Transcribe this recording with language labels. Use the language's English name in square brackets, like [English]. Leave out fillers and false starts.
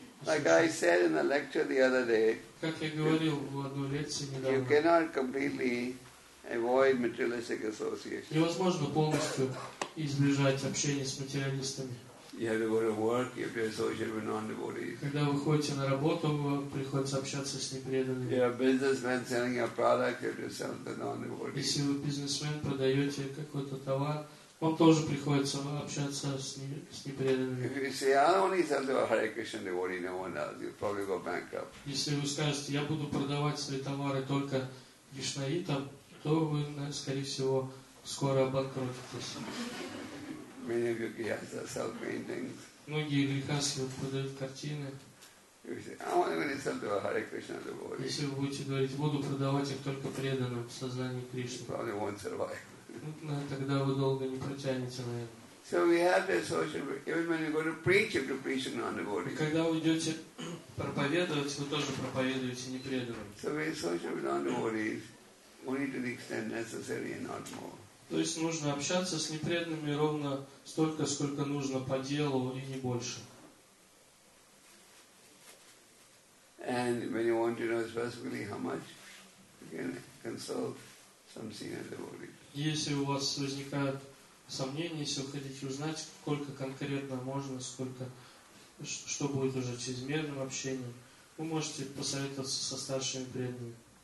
[English] Like I said in the lecture the other day, you cannot completely avoid materialistic association. [Russian] Невозможно полностью избежать общения с материалистами. [English] You have to go to work, you have to associate with non-devotees. [Russian] Когда вы ходите на работу, приходится общаться с непреданными. [English] You're a businessman selling a product, you have to sell to non-devotees. [Russian] Если вы бизнесмен, продаете какой-то товар, вам тоже приходится общаться с непреданными. [English] If you say, I'll only sell to a Hare Krishna devotee, no one else, you'll probably go bankrupt. [Russian] Если вы скажете, я буду продавать свои товары только кришнаитам, то вы, скорее всего, скоро обанкротитесь. [English] Many of you guys sell paintings. [Russian] Многие грехасы продают картины. [English] You say, I want to sell to a Hare Krishna devotee. [Russian] Если вы будете говорить, буду продавать их только преданным в сознании Кришны. [English] Probably won't survive. [Russian] Тогда вы долго не протянете, наверное. [English] So we have to associate. Even when you go to preach, you have to preach to non-devotees. [Russian] Когда вы идете проповедовать, вы тоже проповедуете непреданным. [English] So we associate with non-devotees only to the extent necessary and not more. [Russian] То есть нужно общаться с непреданными ровно столько, сколько нужно по делу и не больше. [English] And when you want to know specifically how much, you can consult some senior devotee. [Russian] Если у вас возникают сомнения, если вы хотите узнать, сколько конкретно можно, сколько, что будет уже чрезмерным общением, вы можете посоветоваться со старшими преданными.